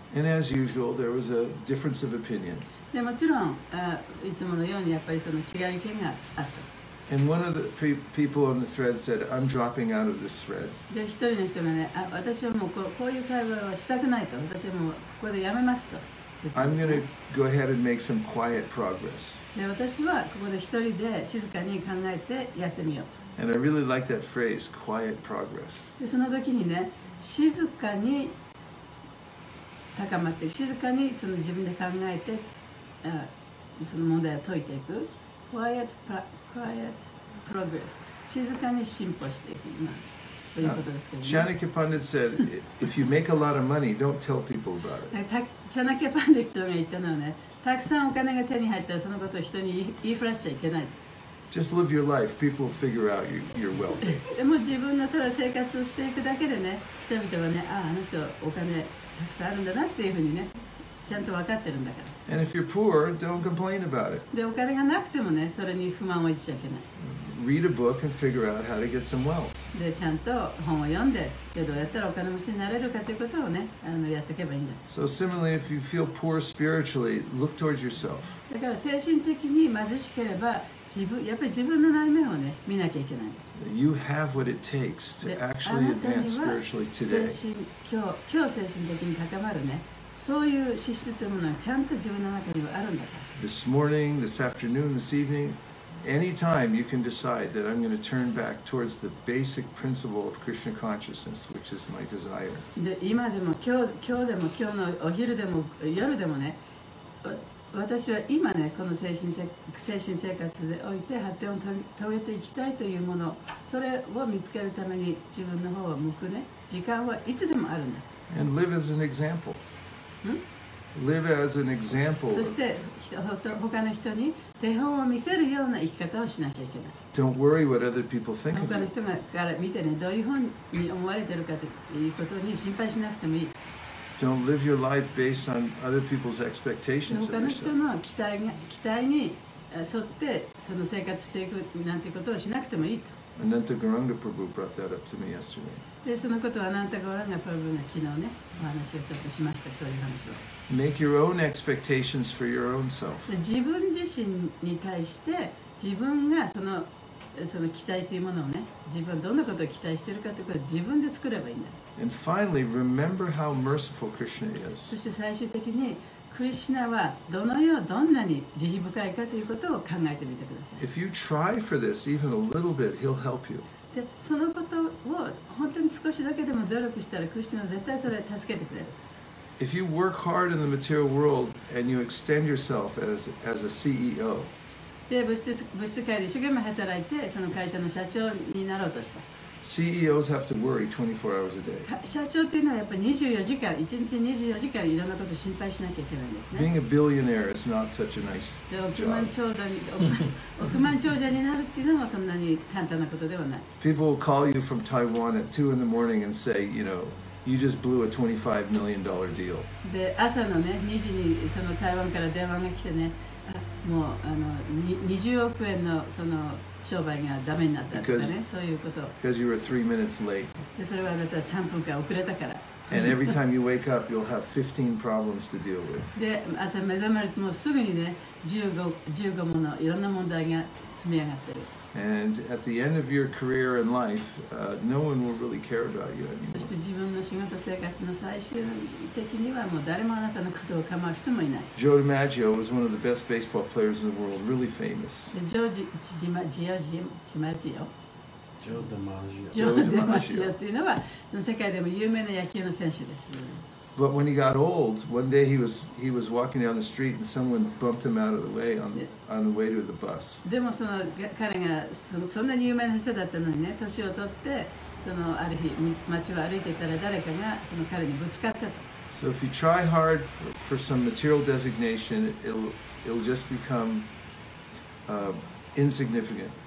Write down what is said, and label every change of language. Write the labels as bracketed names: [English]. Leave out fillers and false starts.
[English] And as usual, there was a difference of opinion. [Japanese] で、もちろんいつものようにやっぱりその違う意見があった。 [English] And one of the people on the thread said, I'm dropping out of this thread. [Japanese] で、一人の人がね、私はもうこういう会話はしたくないと、私はもうここでやめますと。 [English] I'm going to go ahead and make some quiet progress. [Japanese] で、私はここで一人で静かに考えてやってみようと。 [English] And I really like that phrase, quiet progress. [Japanese] で、その時にね、静かに高まって、静かにその自分で考えて、その問題を解いていく。 [English] Quiet progress. Quiet progress. [Japanese] 静かに進歩していく、ということですけどね。 [English] Chanakya Pandit said, if you make a lot of money, don't tell people about it. [Japanese] Chanakya Pandit が言ったのはね、たくさんお金が手に入ったらそのことを人に言いふらしちゃいけない。 [English] Just live your life. People will figure out you're wealthy. [Japanese] でも自分のただ生活をしていくだけでね、人々はね、ああ、あの人お金たくさんあるんだなっていうふうにね、ちゃんと分かってるんだから。 [English] And if you're poor, don't complain about it. [Japanese] で、お金がなくてもね、それに不満を言っちゃいけない。 [English] Read a book and figure out how to get some wealth. [Japanese] で、ちゃんと本を読んで、どうやったらお金持ちになれるかということをね、やっていけばいいんだ。 [English] So similarly, if you feel poor spiritually, look towards yourself. [Japanese] だから精神的に貧しければ、やっぱり自分の内面をね、見なきゃいけない。 [English] You have what it takes to actually advance spiritually today. [Japanese] 今日精神的に高まるね。そういう資質というものはちゃんと自分の中にはあるんだから。 [English] This morning, this afternoon, this evening, anytime you can decide that I'm going to turn back towards the basic principle of Krishna consciousness, which is my desire. [Japanese] で、今でも今日でも今日のお昼でも夜でもね、私は今ね、この精神生活でおいて発展を遂げていきたいというもの、それを見つけるために自分の方を向くね、時間はいつでもあるんだ。 [English] And live as an example. Live as an example. [Japanese] そして他の人に手本を見せるような生き方をしなきゃいけない。 [English] Don't worry what other people think of you. [Japanese] 他の人から見てね、どういうふうに思われてるかということに心配しなくてもいい。 [English] Don't live your life based on other people's expectations. [Japanese] 他の人の期待に沿ってその生活していくなんてことをしなくてもいいと。 [English] Ananta Gauranga Prabhu brought that up to me yesterday. [Japanese] で、そのことはアナンタ・ガウランガ・プラブーが昨日ね、お話をちょっとしました、そういう話を。 [English] Make your own expectations for your own self. [Japanese] 自分自身に対して、自分がその期待というものをね、自分はどんなことを期待しているかということを自分で作ればいいんだ。 [English] And finally, remember how merciful Krishna is. [Japanese] そして最終的に、クリシナはどのようどんなに慈悲深いかということを考えてみてください。 [English] If you try for this, even a little bit, he'll help you. [Japanese] で、そのことを本当に少しだけでも努力したら、クリシナは絶対それを助けてくれる。 [English] If you work hard in the material world and you extend yourself as a CEO, [Japanese] で、物質界で一生懸命働いて、その会社の社長になろうとした。 [English] CEOs have to worry 24 hours a day. [Japanese] 社長というのはやっぱり24時間いろんなことを心配しなきゃいけないんですね。 [English] Being a billionaire is not such a nice job. [Japanese] 億万長者になるっていうのもそんなに簡単なことではない。 [English] People will call you from Taiwan at 2 in the morning and say, you know, you just blew a $25 million deal. [Japanese] で、朝のね、2時にその台湾から電話が来てね、もう20億円のその商売がダメになったとかね、そういうこと。 [English] Because you were 3 minutes late. [Japanese] で、それはあなた3分間遅れたから。 [English] And every time you wake up, you'll have 15 problems to deal with. [Japanese] で、朝目覚まるともうすぐにね、15ものいろんな問題が積み上がってる。 [English] And at the end of your career and life, no one will really care about you anymore. [Japanese] そして自分の仕事生活の最終的にはもう誰もあなたのことを構う人もいない。 [English] Joe DiMaggio was one of the best baseball players in the world, really famous. Joe DiMaggio [Japanese] っていうのは世界でも有名な野球の選手です。 [English] But when he got old, one day he was walking down the street and someone bumped him out of the way on the way to the bus. [Japanese] でもその彼がそんなに有名な人だったのにね、年を取ってそのある日街を歩いていたら誰かがその彼にぶつかったと。 [English] So if you try hard for some material designation, it'll just become insignificant.